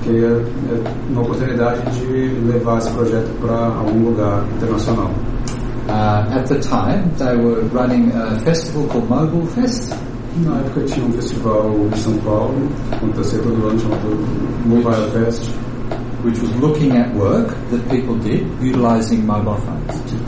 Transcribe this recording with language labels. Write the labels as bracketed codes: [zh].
[pt] Queria uma oportunidade de levar esse projeto para algum lugar internacional. [en] At the time, they were running a festival called Mobile Fest. [pt] Na época tinha um festival em São Paulo, acontecia todo ano, chamado Mobile Fest. [en] Which was looking at work that people did utilizing mobile phones.